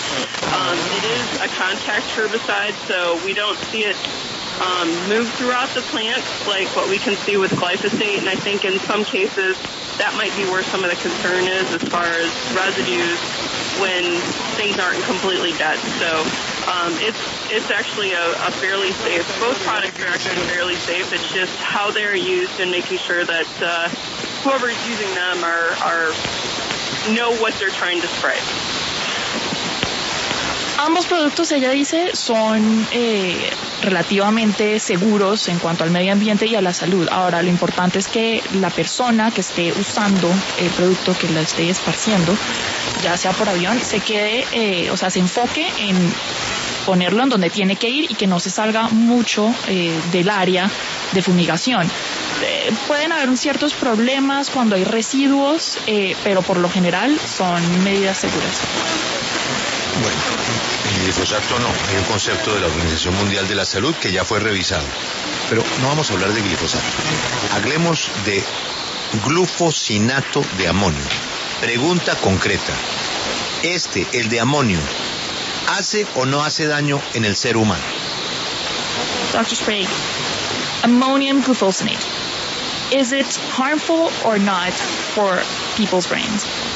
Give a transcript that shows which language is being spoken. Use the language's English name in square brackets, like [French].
[English] It is a contact herbicide, so we don't see it move throughout the plant like what we can see with glyphosate, and I think in some cases that might be where some of the concern is as far as residues when things aren't completely dead. So it's actually a fairly safe, both products are actually fairly safe. It's just how they're used and making sure that whoever's using them are know what they're trying to spray. [Spanish] Ambos productos, ella dice, son relativamente seguros en cuanto al medio ambiente y a la salud. Ahora, lo importante es que la persona que esté usando el producto, que la esté esparciendo, ya sea por avión, se quede, o sea, se enfoque en ponerlo en donde tiene que ir y que no se salga mucho del área de fumigación. Pueden haber ciertos problemas cuando hay residuos, pero por lo general son medidas seguras. Glifosato no, hay un concepto de la Organización Mundial de la Salud que ya fue revisado. Pero no vamos a hablar de glifosato. Hablemos de glufosinato de amonio. Pregunta concreta. Este, el de amonio, ¿hace o no hace daño en el ser humano? [English] Dr. Sprague, ammonium glufosinate. Is it harmful or not for people's brains?